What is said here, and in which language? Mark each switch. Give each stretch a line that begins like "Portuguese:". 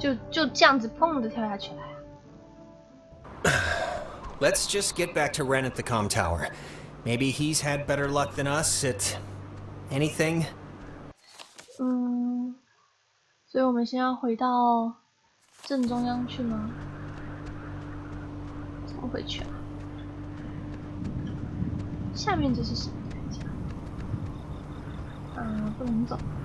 Chinese: 就这样子砰的跳下去了。
English: Let's just get back to Ren at the comm tower. Maybe he's had better luck than us at anything.
Chinese: 所以我们先要回到正中央去吗？怎么回去啊？下面这是什么？等一下。不能走。